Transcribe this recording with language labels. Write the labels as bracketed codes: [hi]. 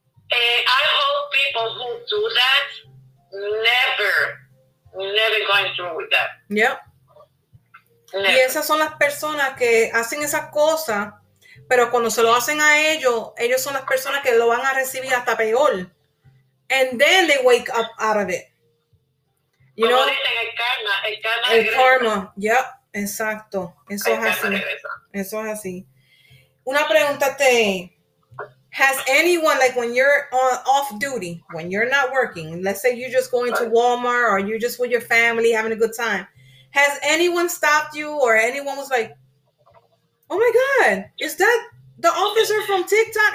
[en] And I hope people who do that never going through with that. Yeah. [es] Y esas son las personas que hacen esas cosas, pero cuando se lo hacen a ellos son las personas que lo van a recibir hasta peor. [en] And then they wake up out of it. You [es] como [en] know? [es] Dicen, el karma. El karma. El karma. Yep. Exacto, eso es así. Eso es así. Una pregunta te. [en] Has anyone, like when you're off duty, when you're not working, let's say you're just going to Walmart or you're just with your family having a good time, has anyone stopped you or anyone was like, oh my God, is that the officer from TikTok?